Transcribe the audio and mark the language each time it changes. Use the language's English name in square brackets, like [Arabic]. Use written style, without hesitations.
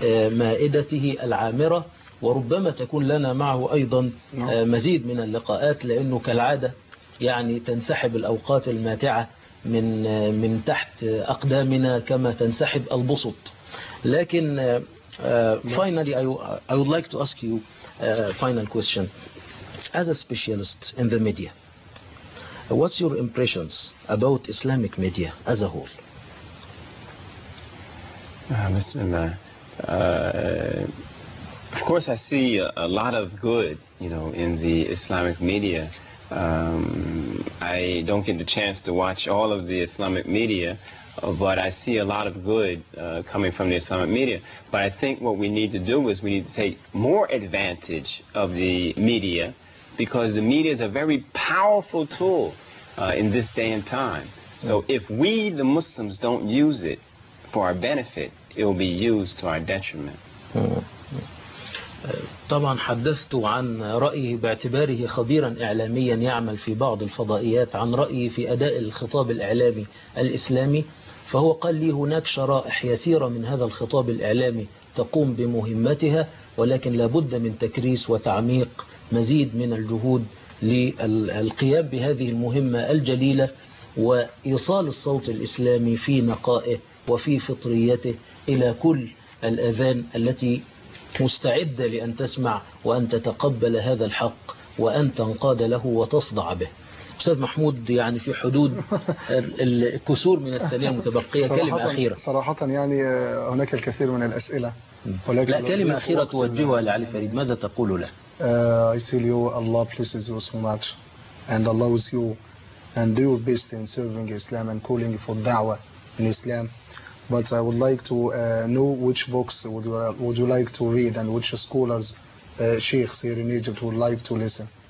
[Arabic] مائدته العامرة وربما تكون لنا معه أيضا مزيد من اللقاءات لأنه كالعادة يعني تنسحب الأوقات الماتعة من تحت أقدامنا كما تنسحب البسط لكن [English] finally I would like to ask you a final question as a specialist in the media what's your impressions about Islamic media as a whole Bismillah. Of course, I see a lot of good, you know, in the Islamic media. I don't get the chance to watch all of the Islamic media, but I see a lot of good coming from the Islamic media. But I think what we need to do is we need to take more advantage of the media, because the media is a very powerful tool in this day and time. So if we, the Muslims, don't use it for our benefit, it will be used to our detriment. [Arabic] طبعا حدثت عن رأيه باعتباره خبيرا إعلاميا يعمل في بعض الفضائيات عن رأيه في أداء الخطاب الإعلامي الإسلامي فهو قال لي هناك شرائح يسيرة من هذا الخطاب الإعلامي تقوم بمهمتها ولكن لابد من تكريس وتعميق مزيد من الجهود للقيام بهذه المهمة الجليلة وإيصال الصوت الإسلامي في نقائه وفي فطريته إلى كل الأذان التي مستعدة لأن تسمع وأن تتقبل هذا الحق وأن تنقاد له وتصدع به أستاذ محمود يعني في حدود الكسور من الثانية المتبقية كلمة أخيرة صراحة يعني هناك الكثير من الأسئلة ولكن لا كلمة أخيرة توجهها لعلي فريد ماذا تقول له [English] I tell you Allah blesses you so much and allows you and do your best in serving Islam and calling for da'wah in Islam But I would like to know which books would you like to read and which scholars, sheikhs here in Egypt would like to listen.